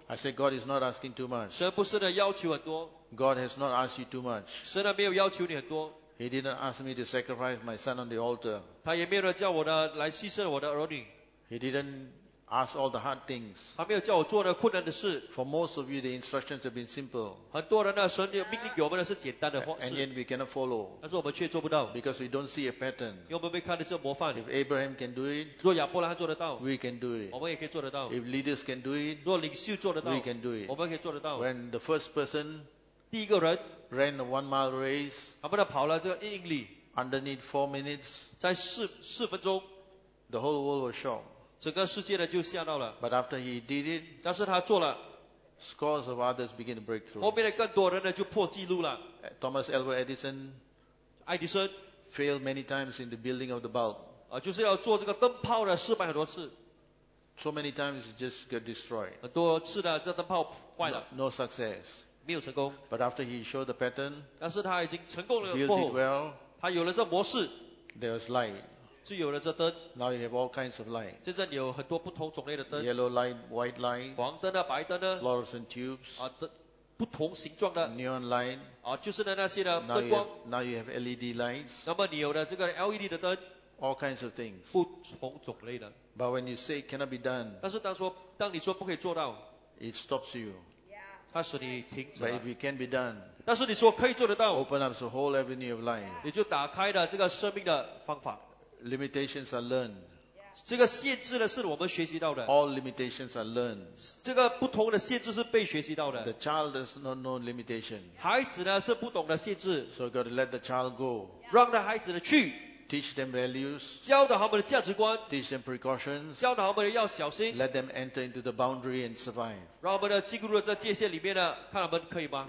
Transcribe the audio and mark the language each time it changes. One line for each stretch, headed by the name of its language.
English: I say God is not asking too much,
Chinese: 神不是的要求很多,
English: God has not asked you too much,
Chinese: 神没有要求你很多,
English: he did not ask me to sacrifice my son on the altar,
Chinese: 他也没有叫我的来牺牲我的儿女,
English: he didn't ask all the hard things.
Chinese: 他没有叫我做的困难的事。
English: For most of you, the instructions have been simple.
Chinese: 很多人呢, 神命令给我们的是简单的方式。
English: And yet we cannot follow.
Chinese: 但是我们却做不到。
English: Because we don't see a pattern.
Chinese: 因为我们没看到这个模范。
English: If Abraham can do it,
Chinese: 若亚伯拉罕做得到,
English: we can do it.
Chinese: 我们也可以做得到。
English: If leaders can do it,
Chinese: 若领袖做得到,
English: we can do it.
Chinese: 我们也可以做得到。
English: When the first person,
Chinese: 第一个人,
English: ran a 1 mile race,
Chinese: 他们跑了这个一英里,
English: underneath 4 minutes,
Chinese: 在四分钟,
English: the whole world was shocked.
Chinese: 整个世界的就吓到了,
English: but after he did it,
Chinese: 但是他做了,
English: scores of others begin to break through.
Chinese: 后面的更多人呢就破纪录了。
English: Thomas Alva Edison,
Chinese: 爱迪生,
English: failed many times in the building of the bulb.
Chinese: 就是要做这个灯泡的失败很多次。
English: So many times it just got destroyed.
Chinese: 很多次的这灯泡坏了。
English: No success.
Chinese: 没有成功。
English: But after he showed the pattern,
Chinese: 但是他已经成功了过后,
English: built it well,
Chinese: 他有了这模式,
English: there was light. Now you have all kinds of light.
Chinese: 现在你有很多不同种类的灯,
English: yellow light, white light,
Chinese: 黄灯啊, 白灯啊,
English: fluorescent tubes,
Chinese: 啊, 不同形状的,
English: neon light,
Chinese: 啊, 就是那些的灯光,
English: now you have LED lights,
Chinese: 那么你有了这个LED的灯,
English: all kinds of things,
Chinese: 不同种类的,
English: but when you say it cannot be done,
Chinese: 但是当你说不可以做到,
English: it stops you.
Chinese: 它使你停止了,
English: but if it can be done,
Chinese: 但是你说可以做得到,
English: open up the whole avenue of life,
Chinese: 你就打开了这个生命的方法。
English: Limitations are learned.
Chinese: 这个限制呢是我们学习到的。
English: All limitations are learned.
Chinese: 这个不同的限制是被学习到的。
English: The child does not know limitation.
Chinese: 孩子呢是不懂的限制。
English: So you got to let the child go.
Chinese: 让那孩子呢去。
English: Teach them values.
Chinese: 教导他们的价值观。
English: Teach them precautions.
Chinese: 教导他们要小心。
English: Let them enter into the boundary and survive.
Chinese: 让我们呢进入了这界限里面呢，看他们可以吗？